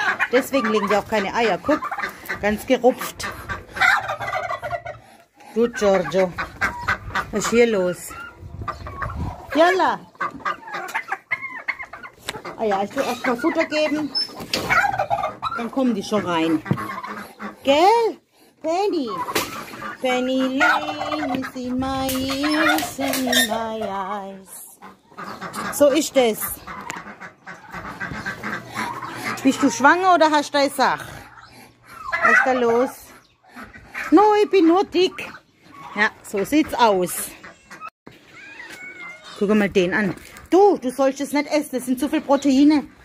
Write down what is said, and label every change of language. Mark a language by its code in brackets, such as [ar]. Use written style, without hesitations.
[de] Deswegen legen die auch keine Eier. Guck, ganz gerupft. Du, Giorgio. Was ist hier los? Jalla. Ah ja, ich will erst mal Futter geben. Dann kommen die schon rein. Gell? Penny. [en] Penny Lane is in my ears and in my eyes. [de] So ist es. Bist du schwanger oder hast du eine Sache? Was ist da los? No, ich bin nur dick. Ja, so sieht's aus. Guck mal den an. Du sollst es nicht essen. Das sind zu viele Proteine.